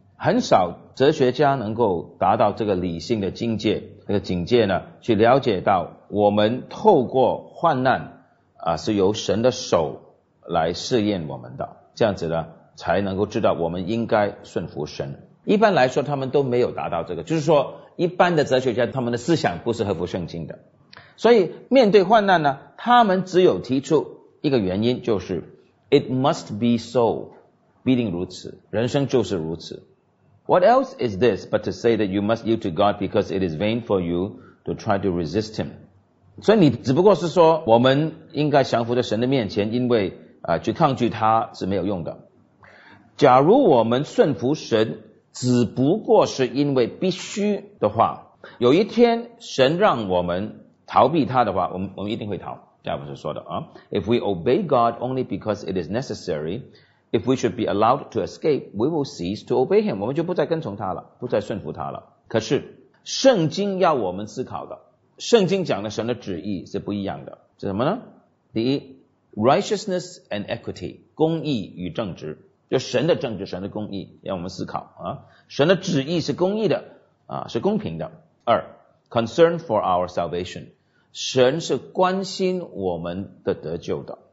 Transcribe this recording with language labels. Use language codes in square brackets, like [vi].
[zh] 很少哲学家能够达到这个理性的境界，这个境界呢，去了解到我们透过患难啊，是由神的手来试验我们的，这样子呢，才能够知道我们应该顺服神。一般来说，他们都没有达到这个，就是说，一般的哲学家他们的思想不是合乎圣经的，所以面对患难呢，他们只有提出一个原因，就是 [en] It must be so, [zh] 必定如此，人生就是如此。 [en] What else is this but to say that you must yield to God because it is vain for you to try to resist him? [zh] 所以你只不过是说我们应该降服在神的面前，因为去抗拒他是没有用的。假如我们顺服神只不过是因为必须的话，有一天神让我们逃避他的话，我们一定会逃。加尔文说的啊。 [en] If we obey God only because it is necessary,If we should be allowed to escape, we will cease to obey him. [zh] 我们就不再跟从他了，不再顺服他了。可是圣经要我们思考的，圣经讲的神的旨意是不一样的。是什么呢？第一， [en] righteousness and equity, [zh] 公义与正直，就神的正直，神的公义要我们思考啊。神的旨意是公义的啊，是公平的。二， [en] concern for our salvation, [zh] 神是关心我们的得救的。